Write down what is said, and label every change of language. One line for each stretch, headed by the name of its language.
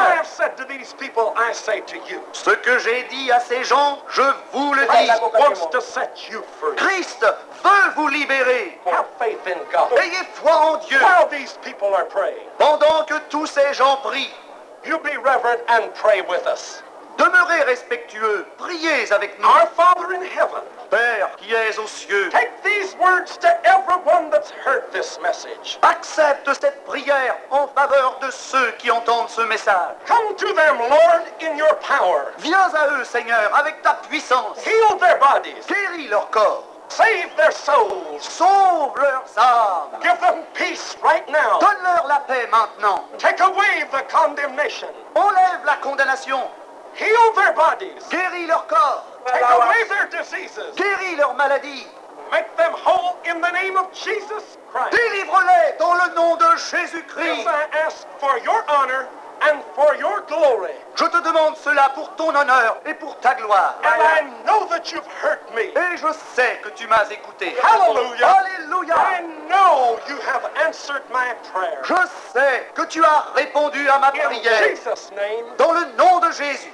English: What I have said to these people, I say to you.
French: Ce que j'ai dit à ces gens, je vous le dis.
English: Christ wants to set you free.
French: Christ veut vous libérer.
English: Have faith in God.
French: Ayez foi en Dieu.
English: While these people are praying.
French: Pendant que tous ces gens prient.
English: You be reverent and pray with us.
French: Demeurez respectueux, priez avec nous.
English: Our Father in heaven.
French: Père qui es aux cieux.
English: Take these words to everyone that's heard this message.
French: Accepte cette prière en faveur de ceux qui entendent ce message.
English: Come to them, Lord, in your power.
French: Viens à eux, Seigneur, avec ta puissance.
English: Heal their bodies.
French: Guéris leur corps.
English: Save their souls.
French: Sauve leurs âmes.
English: Give them peace right now.
French: Donne-leur la paix maintenant.
English: Take away the condemnation.
French: Enlève la condamnation.
English: Heal their bodies.
French: Guéris leur corps.
English: Take away their diseases.
French: Guéris leurs maladies.
English: Make them whole in the name of Jesus Christ.
French: Délivre-les dans le nom de Jésus-Christ.
English: I ask for your honor and for your glory.
French: Je te demande cela pour ton honneur et pour ta gloire.
English: And I know that you've heard me.
French: Et je sais que tu m'as écouté.
English: Hallelujah.
French: Hallelujah.
English: I know you have answered my prayer.
French: Je sais que tu as répondu à ma prière.
English: In Jesus' name.
French: Dans le nom de Jésus.